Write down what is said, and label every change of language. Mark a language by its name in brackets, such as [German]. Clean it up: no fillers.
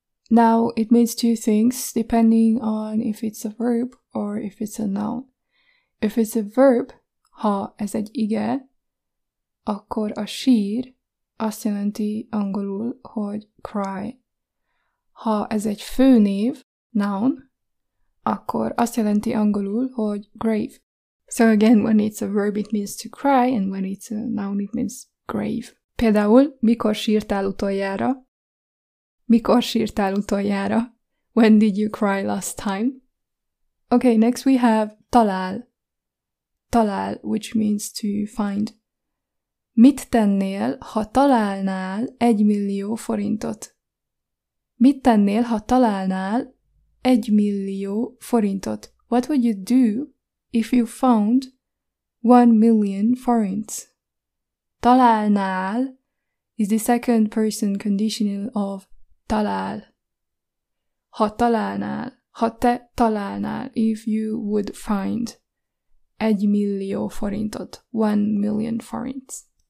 [English] Now, it means two things, depending on if it's a verb or if it's a noun. If it's a verb, [Hungarian] ha ez egy ige, akkor a sír azt jelenti angolul, hogy cry. Ha ez egy főnév, noun, akkor azt jelenti angolul, hogy grave. [English] So again, when it's a verb, it means to cry, and when it's a noun, it means grave. [Hungarian] Például, mikor sírtál utoljára? Mikor sírtál utoljára? [English] When did you cry last time? Okay, next we have talál. Talál, which means to find. [Hungarian] Mit tennél, ha találnál 1 millió forintot? Mit tennél, ha találnál 1 millió forintot? [English] What would you do if you found 1 million forints? Találnál is the second person conditional of talál. [Hungarian] Ha találnál, ha te találnál, [English] if you would find [Hungarian] 1 millió forintot, [English] 1 million forints.